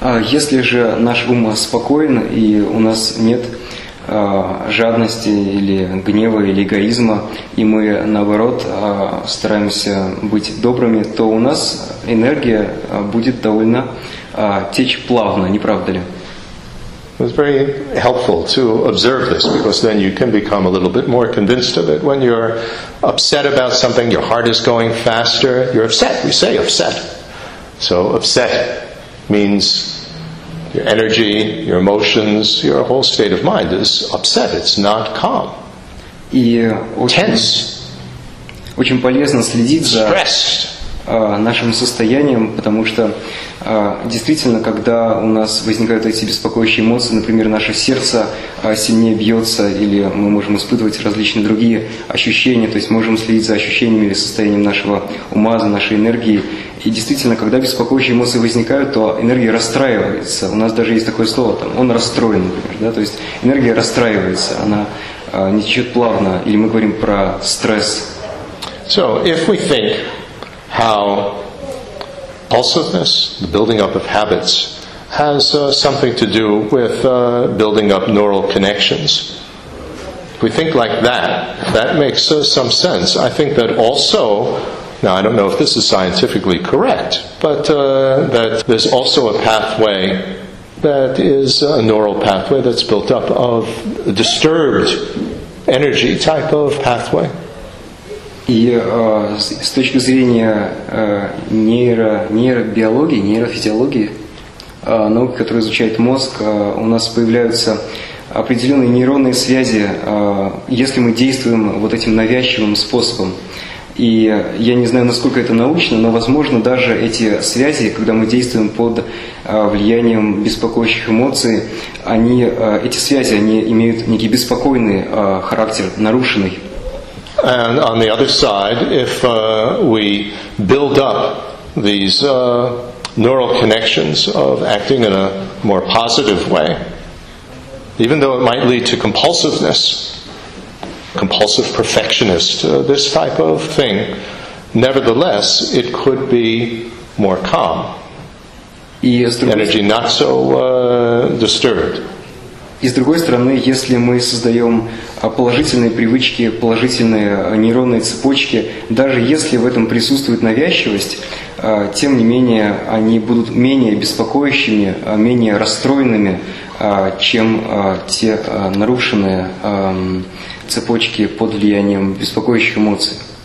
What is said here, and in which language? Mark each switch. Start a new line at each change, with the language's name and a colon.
Russian: Если же наш ум спокоен и у нас нет жадности или гнева или эгоизма, и мы наоборот стараемся быть добрыми, то у нас энергия будет довольно течь плавно, не правда ли?
English: It's very helpful to observe this, because then you can become a little bit more convinced of it. When you're upset about something, your heart is going faster, you're upset. We say upset. So upset means your energy, your emotions, your whole state of mind is upset. It's not calm. Tense.
Russian: Очень полезно следить за нашим состоянием, потому что действительно, когда у нас возникают эти беспокоящие эмоции, например, наше сердце сильнее бьется, или мы можем испытывать различные другие ощущения, то есть можем следить за ощущениями или состоянием нашего ума, за нашей энергией. И действительно, когда беспокоящие эмоции возникают, то энергия расстраивается. У нас даже есть такое слово, там, он расстроен, например, да? То есть энергия расстраивается, она не течет плавно, или мы говорим про стресс.
English: So, if we think how impulsiveness, the building up of habits, has something to do with building up neural connections. If we think like that, that makes some sense. I think that also, now I don't know if this is scientifically correct, but that there's also a pathway that is a neural pathway that's built up of a disturbed energy type of pathway.
Russian: И с точки зрения нейробиологии, нейрофизиологии, науки, которая изучает мозг, у нас появляются определенные нейронные связи, если мы действуем вот этим навязчивым способом. И я не знаю, насколько это научно, но, возможно, даже эти связи, когда мы действуем под влиянием беспокоящих эмоций, они, эти связи, они имеют некий беспокойный характер, нарушенный.
English: And on the other side, if we build up these neural connections of acting in a more positive way, even though it might lead to compulsiveness, compulsive perfectionist, this type of thing, nevertheless, it could be more calm. Energy not so disturbed.
Russian: И с другой стороны, если мы создаем положительные привычки, положительные нейронные цепочки, даже если в этом присутствует навязчивость, тем не менее они будут менее беспокоящими, менее расстроенными, чем те нарушенные цепочки под влиянием беспокоящих эмоций.